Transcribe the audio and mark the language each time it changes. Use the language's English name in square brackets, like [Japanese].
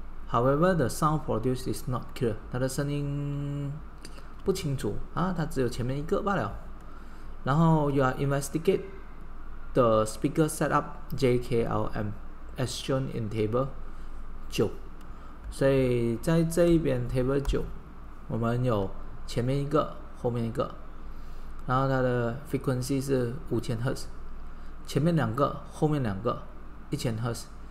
[English] However, the sound produced is not clear. [Chinese] 它的声音不清楚啊，它只有前面一个罢了。 [English] 然后 you are investigate the speaker setup JKLM as shown in table 9。 [Chinese] 所以在这一边 table 9，我们有前面一个，后面一个。然后它的 frequency 是5000赫兹，前面两个，后面两个，1000赫兹。